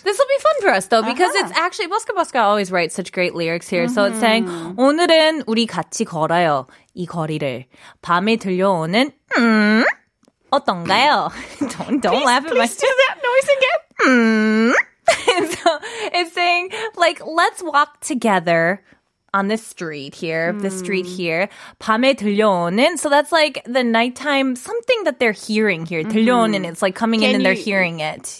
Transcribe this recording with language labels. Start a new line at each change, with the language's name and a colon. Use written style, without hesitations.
English: This will be fun for us though, because uh-huh. It's actually, Busker Busker always writes such great lyrics here. Mm-hmm. So it's saying,
Korean: 오늘은 우리 같이 걸어요. 이 거리를 밤에 들려오는 어떤가요?
English: don't please, laugh at please my... Please do that noise again. So it's saying, like, let's walk together on this street here, this street here.
Korean: 밤에 들려오는.
English: So that's like the nighttime, something that they're hearing here.
Korean: 들려오는.
English: It's like coming in and they're hearing it.